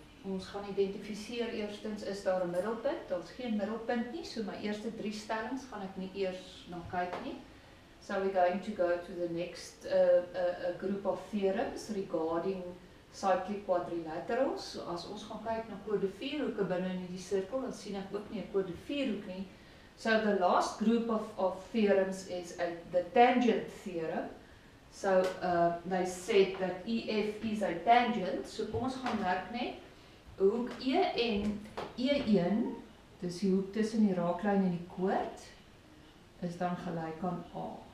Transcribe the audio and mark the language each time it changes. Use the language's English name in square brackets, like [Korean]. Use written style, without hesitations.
[Afrikaans] Ons gaan identifiseer eerstens, is daar 'n middelpunt? Daar is geen middelpunt nie, so my eerste drie stellings gaan ek nie eers na kyk nie. [English] So we're going to go to the next group of theorems regarding cyclic quadrilaterals. [Afrikaans] So as ons gaan kyk na kode 4 hoeke binne in hierdie sirkel, dan sien ek ook nie 'n kode 4 hoek nie. [English] So the last group of theorems is the tangent theorem. So they said that EF is a tangent. [Afrikaans] So kom ons gaan merk net hoek E en E1, dis die hoek tussen die raaklyn en die koord, is dan gelyk aan A.